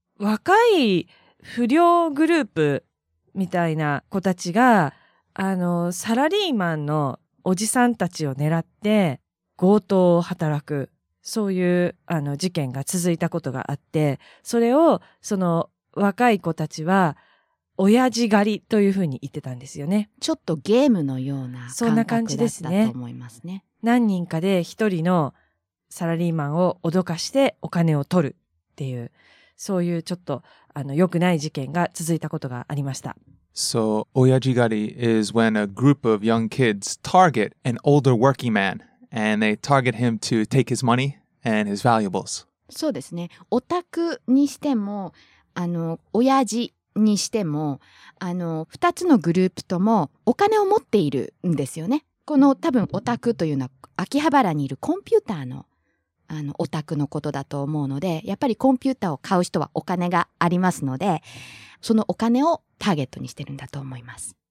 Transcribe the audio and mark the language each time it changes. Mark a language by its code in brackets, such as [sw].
[ja] 若い不良グループみたいな子たちがあのサラリーマンのおじさんたちを狙って強盗を働く、そういうあの事件が続いたことがあって、それをその若い子たちは親父狩りというふうに言ってたんですよね。ちょっとゲームのような感覚だったと思いますね。そんな感じですね。何人かで一人のサラリーマンを脅かしてお金を取るっていう、そういうちょっとあの良くない事件が続いたことがありました。 [en] So, oyaji gari is when a group of young kids target an older working man and they target him to take his money and his valuables. [ja] そうですね。オタクにしても、あの、oyaji にしても、あの、二つのグループともお金を持っているんですよね。この多分オタクというのは秋葉原にいるコンピューターの、あの、オタクのことだと思うので、やっぱりコンピューターを買う人はお金がありますので、そのお金をターゲットにしてるんだと思います。